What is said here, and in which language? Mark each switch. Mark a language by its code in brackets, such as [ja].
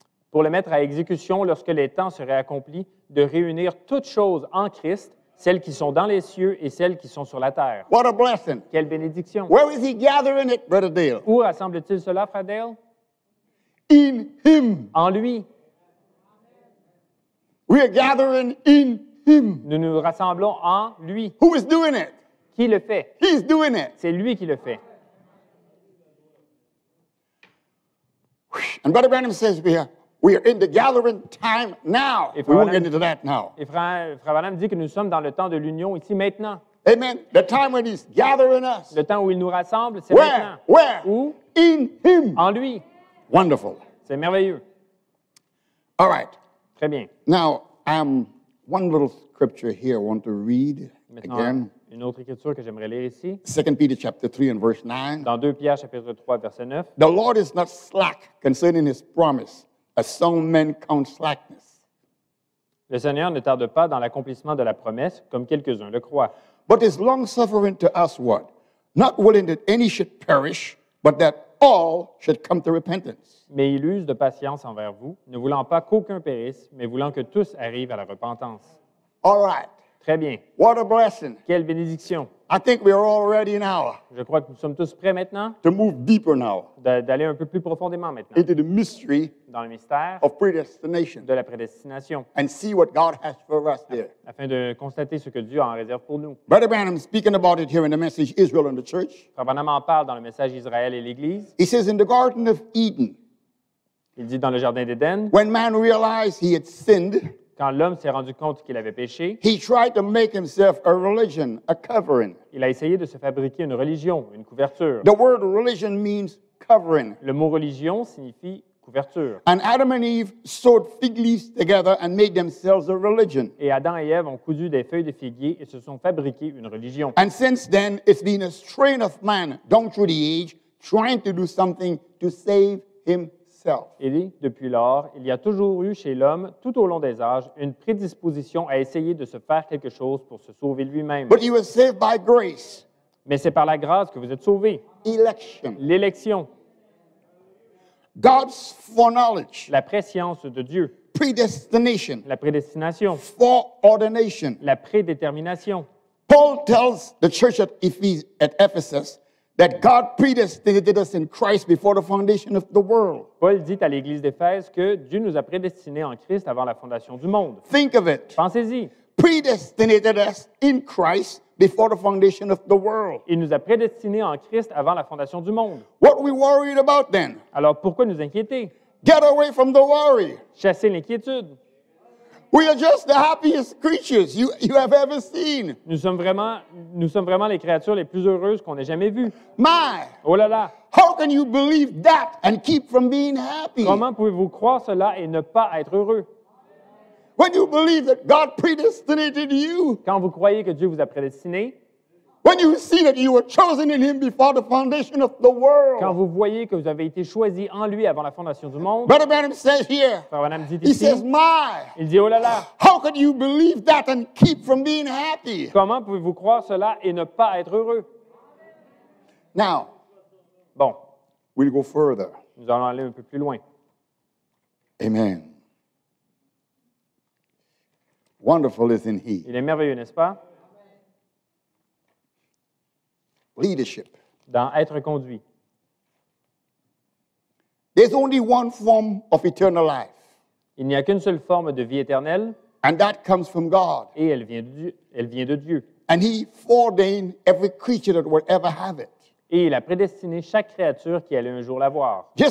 [fr] Pour le mettre à exécution lorsque les temps seraient accomplis, de réunir toutes choses en Christ, celles qui sont dans les cieux et celles qui sont sur la terre. [en] What a blessing! [fr] Quelle bénédiction! [en] Where is he gathering it, Brother Dale? [fr] Où rassemble-t-il cela, Frère Dale? [en] In him. [fr] En lui. [en] We are gathering in him. [fr] Nous nous rassemblons en lui. [en] Who is doing it? [fr] Qui le fait? [en] He's doing it. [fr] C'est lui qui le fait. [en] And Brother Branham says we are in the gathering time now. We won't get into that now. [fr] Et Frère Branham dit que nous sommes dans le temps de l'union ici maintenant. [en] Amen. The time when he's gathering us. [fr] Le temps où il nous rassemble, c'est [en] where? [fr] Maintenant. [en] Where? [fr] Où? [en] In him. [fr] En lui. [en] Wonderful. [fr] C'est merveilleux. [en] All right. [fr] Très bien. [en] Now, one little scripture here I want to read again. [fr] Une autre écriture que j'aimerais lire ici. [en] 2 Peter chapter 3 and verse 9. [fr] Dans 2 Pierre chapitre 3 verset 9. [en] The Lord is not slack concerning his promise, as some men count slackness. [fr] Le Seigneur ne tarde pas dans l'accomplissement de la promesse, comme quelques-uns le croient. [en] But is long suffering to us what? Not willing that any should perish, but that all should come to repentance. [fr] Mais il use de patience envers vous, ne voulant pas qu'aucun périsse, mais voulant que tous arrivent à la repentance. [en] All right. [fr] Très bien. [en] What a blessing. [fr] Quelle bénédiction. [en] I think we are all ready now. [fr] Je crois que nous sommes tous prêts maintenant. [en] To move deeper now. [fr] D'aller un peu plus profondément maintenant. [en] Into the mystery. [fr] Dans le mystère. [en] Of predestination. [fr] De la prédestination. [en] And see what God has for us there. [fr] Afin de constater ce que Dieu a en réserve pour nous. [en] Brother Branham speaking about it here in the message Israel and the Church. [fr] Frère Branham en parle dans le message Israël et l'Église. [en] He says in the Garden of Eden. [fr] Il dit dans le jardin d'Éden. [en] When man realized he had sinned. [fr] Quand l'homme s'est rendu compte qu'il avait péché, [en] he tried to make himself a religion, a covering. [fr] Il a essayé de se fabriquer une religion, une couverture. [en] The word religion means covering. [fr] Le mot religion signifie couverture. [en] And Adam and Eve sewed fig leaves together and made themselves a religion. [fr] Et Adam et Ève ont cousu des feuilles de figuier et se sont fabriqués une religion. [en] And since then, it's been a strain of man down through the age trying to do something to save himself. [fr] Et depuis lors, il y a toujours eu chez l'homme, tout au long des âges, une prédisposition à essayer de se faire quelque chose pour se sauver lui-même. [en] But he was saved by grace. [fr] Mais c'est par la grâce que vous êtes sauvé. [en] Election. [fr] L'élection. [en] God's foreknowledge. [fr] La prescience de Dieu. [en] Predestination. [fr] La prédestination. [en] Foreordination. [fr] La prédétermination. [en] Paul tells the church at Ephesus that God predestinated us in Christ before the foundation of the world. [fr] Paul dit à l'église d'Éphèse que Dieu nous a prédestinés en Christ avant la fondation du monde. [en] Think of it. [fr] Pensez-y. [en] predestinated us in Christ before the foundation of the world. [fr] Il nous a prédestinés en Christ avant la fondation du monde. [en] What are we worried about then? [fr] Alors pourquoi nous inquiéter? [en] Get away from the worry. [fr] Chassez l'inquiétude. [en] We are just the happiest creatures you have ever seen. [fr] Nous sommes vraiment les créatures les plus heureuses qu'on ait jamais vues. [en] My. [fr] Oh là là. [en] How can you believe that and keep from being happy? [fr] Comment pouvez-vous croire cela et ne pas être heureux? [en] When you believe that God predestinated you. [fr] Quand vous croyez que Dieu vous a prédestiné. [en] When you see that you were chosen in Him before the foundation of the world. [fr] Quand vous voyez que vous avez été choisi en Lui avant la fondation du monde. [en] Brother Branham says here. [fr] Frère Branham dit ici. [en] He says, "My." [fr] Il dit, oh là là. [en] How could you believe that and keep from being happy? [fr] Comment pouvez-vous croire cela et ne pas être heureux? [en] Now. [fr] Bon. [en] We'll go further. [fr] Nous allons aller un peu plus loin. [en] Amen. Wonderful, isn't He? [fr] Il est merveilleux, n'est-ce pas? [en] Leadership. [fr] Dans être conduit. [en] There's only one form of eternal life. [fr] Il n'y a qu'une seule forme de vie éternelle. [en] And that comes from God. [fr] Et elle vient de Dieu. [en] And He foreordained every creature that will ever have it. [fr] Et il a prédestiné chaque créature qui allait un jour l'avoir.